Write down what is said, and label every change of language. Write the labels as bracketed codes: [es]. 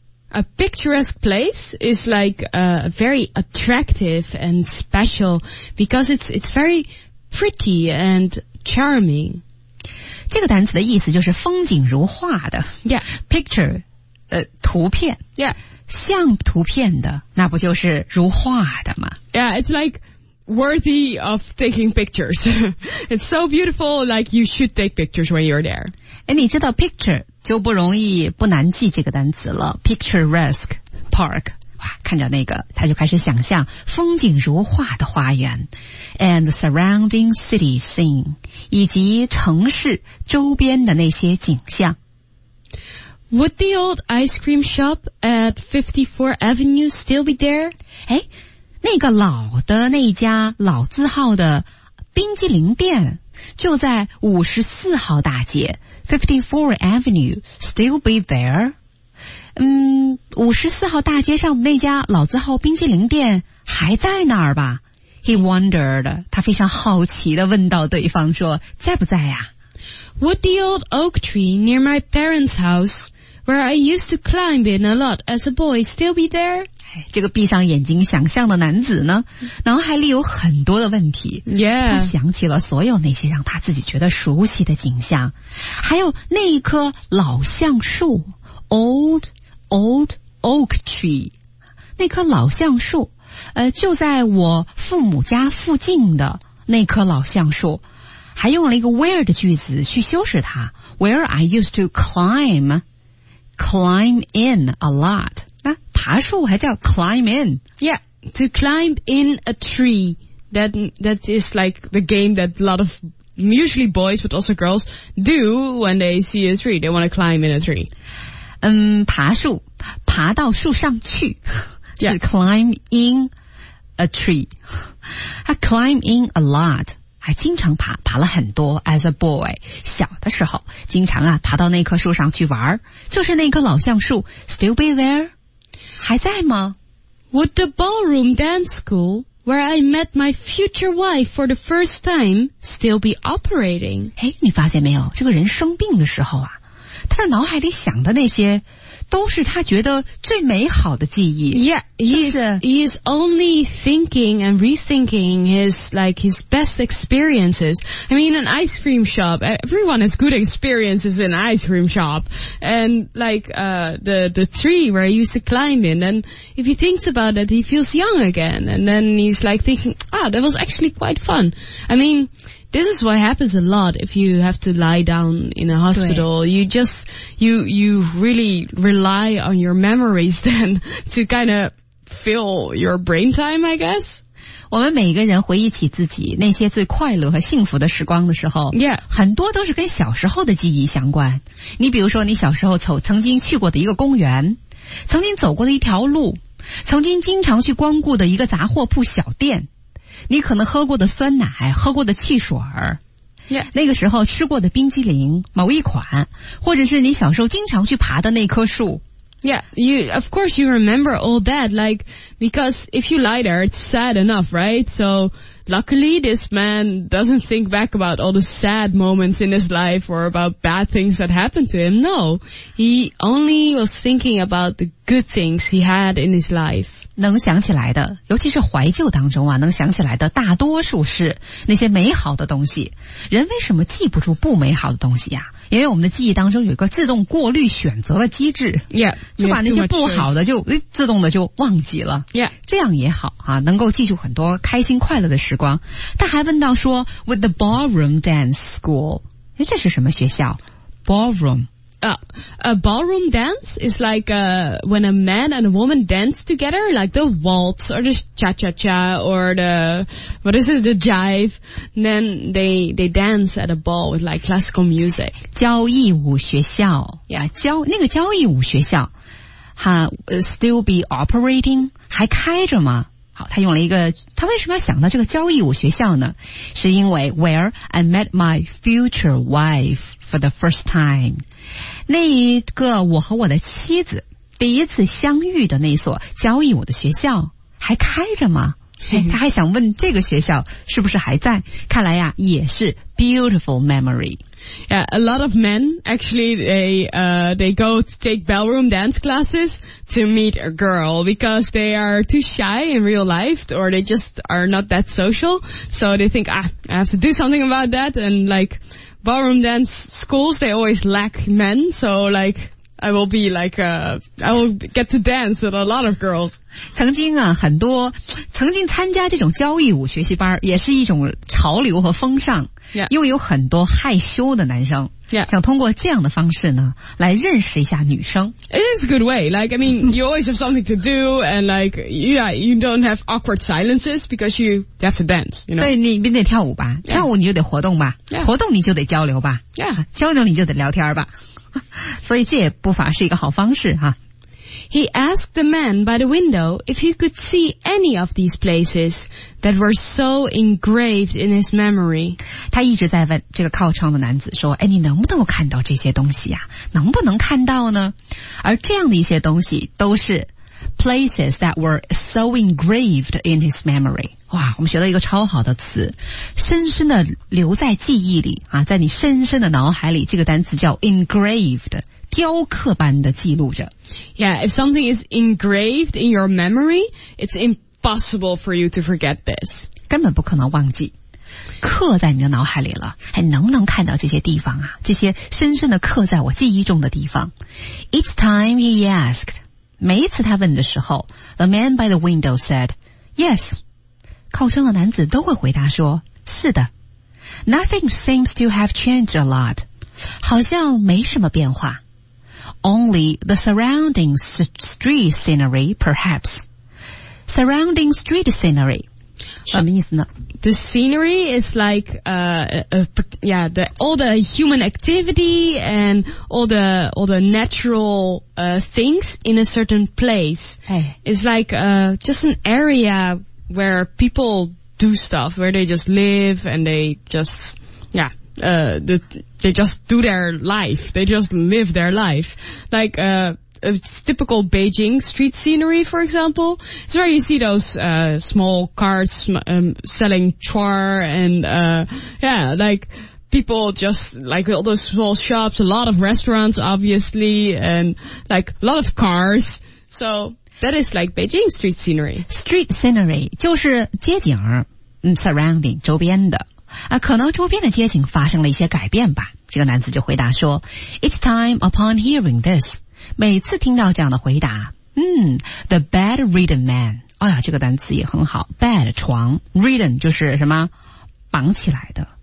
[en] A picturesque place is like very attractive and special because it's very pretty and charming. [zh] 这个单词的意思就是风景如画的。 [en] Yeah, picture. [zh] 图片 [en] yeah. [zh] 像图片的那不就是如画的吗 [en] Yeah, it's like worthy of taking pictures. It's so beautiful, like you should take pictures when you're there. [zh] 诶你知道 picture 就不容易不难记这个单词了 [en] Picturesque park [zh] 哇看着那个他就开始想象风景如画的花园 [en] And the surrounding city scene [zh] 以及城市周边的那些景象 [en] Would the old ice cream shop at 54 Avenue still be there? [zh] 诶那个老的那家老字号的冰激凌店就在54号大街 , [en] 54 Avenue still be there? [zh] 54号大街上那家老字号冰激凌店还在那儿吧 ? [en] He wondered, [zh] 他非常好奇地问到对方说在不在呀 [en] ?Would the old oak tree near my parents' house Where I used to climb in a lot as a boy, still be there? [zh] 这个闭上眼睛想象的男子呢，脑海里有很多的问题。 [en] Yeah. [zh] 他想起了所有那些让他自己觉得熟悉的景象，还有那一棵老橡树 , [en] old oak tree, [zh] 那棵老橡树，就在我父母家附近的那棵老橡树。还用了一个 where 的句子去修饰它 , [en] where I used to climb in a lot. [zh] 那爬树还叫 climb in. [en] Yeah, to climb in a tree. That is like the game that a lot of, usually boys, but also girls, do when they see a tree. They want to climb in a tree. [zh] 爬树,爬到树上去。 [en] Yeah. climb in a tree. [zh] 他 [en] climb in a lot. [zh] 还经常爬爬了很多 [en] as a boy [zh] 小的时候经常啊爬到那棵树上去玩就是那棵老橡树 [en] still be there [zh] 还在吗 [en] Would the ballroom dance school where I met my future wife for the first time still be operating [zh] 诶你发现没有这个人生病的时候啊他在脑海里想的那些都是他觉得最美好的记忆 [en] Yeah, he is only thinking and rethinking his best experiences. I mean, an ice cream shop, everyone has good experiences in an ice cream shop. And the tree where he used to climb in. And if he thinks about it, he feels young again. And then he's like thinking, that was actually quite fun. I mean, this is what happens a lot if you have to lie down in a hospital. You really rely on your memories then to kind of fill your brain time, I guess. [zh] 我们每个人回忆起自己那些最快乐和幸福的时光的时候、 [en] yeah. [zh] 很多都是跟小时候的记忆相关。你比如说你小时候曾经去过的一个公园，曾经走过的一条路，曾经经常去光顾的一个杂货铺小店，你可能喝过的酸奶，喝过的汽水、 [en] yeah. [zh] 那个时候吃过的冰激凌某一款，或者是你小时候经常去爬的那棵树。 [en] Yeah, you, of course you remember all that, like, because if you lie there, it's sad enough, right? So, luckily this man doesn't think back about all the sad moments in his life or about bad things that happened to him. No, he only was thinking about the good things he had in his life. [zh] 能想起来的，尤其是怀旧当中啊，能想起来的大多数是那些美好的东西。人为什么记不住不美好的东西啊？因为我们的记忆当中有一个自动过滤选择的机制 [en] yeah, [zh] 就把那些不好的就自动的就忘记了、 [en] yeah. [zh] 这样也好、啊、能够记住很多开心快乐的时光。他还问到说 [en] With the ballroom dance school, [zh] 这是什么学校 ballroom、 [en] a ballroom dance is like when a man and a woman dance together, like the waltz or the cha-cha-cha or the what is it, the jive. Then they dance at a ball with like classical music. [zh] 交谊舞学校 [en] yeah, [zh] 那个交谊舞学校 [en] still be operating, [zh] 还开着吗？好，他为什么要想到这个交谊舞学校呢？是因为 [en] where I met my future wife for the first time. [zh] 那一个我和我的妻子第一次相遇的那所交易我的学校还开着吗？他还想问这个学校是不是还在。看来呀、啊、也是 [en] beautiful memory. Yeah, a lot of men actually they go to take ballroom dance classes to meet a girl because they are too shy in real life or they just are not that social. So they think, ah, I have to do something about that and likeballroom dance schools, they always lack men, so like, I will be like, I will get to dance with a lot of girls. [zh] 曾经啊，很多，曾经参加这种交谊舞学习班，也是一种潮流和风尚。 [en] Yeah. [zh] 又有很多害羞的男生 [en] yeah. [zh] 想通过这样的方式呢来认识一下女生。 [en] It is a good way. Like, I mean, you always have something to do and like, yeah, you don't have awkward silences because you have to dance, you know. [zh] 对，你得跳舞吧、 [en] yeah. [zh] 跳舞你就得活动吧、 [en] yeah. [zh] 活动你就得交流吧、 [en] yeah. [zh] 交流你就得聊天吧所以这也不乏是一个好方式哈。 [en] He asked the man by the window if he could see any of these places that were so engraved in his memory. [zh] 他一直在问这个靠窗的男子说，哎，你能不能看到这些东西啊？能不能看到呢？而这样的一些东西都是 [en] places that were so engraved in his memory. [zh] 哇，我们学到一个超好的词，深深的留在记忆里啊，在你深深的脑海里，这个单词叫 engraved。雕刻般的记录着。 [en] Yeah, if something is engraved in your memory, it's impossible for you to forget this. [zh] 根本不可能忘记，刻在你的脑海里了。还能不能看到这些地方啊？这些深深的刻在我记忆中的地方。 [en] Each time he asked, [zh] 每一次他问的时候， [en] The man by the window said, Yes. [zh] 靠窗的男子都会回答说，是的。 [en] Nothing seems to have changed a lot. [zh] 好像没什么变化。 [en] Only the surrounding street scenery, perhaps. Surrounding street scenery. [zh] 什么意思呢？ [en] The scenery is like, all the human activity and all the natural, things in a certain place. Hey. It's like, just an area where people do stuff, where they just live and they just, yeah. They just do their life. They just live their life. Like, it's typical Beijing street scenery, for example. It's where you see those, small carts, selling char and, yeah, like, people just, like, all those small shops, a lot of restaurants, obviously, and, like, a lot of cars. So, that is like Beijing street scenery. Street scenery, [zh] 就是街景儿 [en] surrounding, [zh] 周边的。啊，可能周边的街景发生了一些改变吧。这个男子就回答说 ， [en] Each time upon hearing this， [zh] 每次听到这样的回答， [en] the bedridden man， [zh] 哎呀，这个单词也很好 ，bed 床 ，ridden 就是什么绑起来的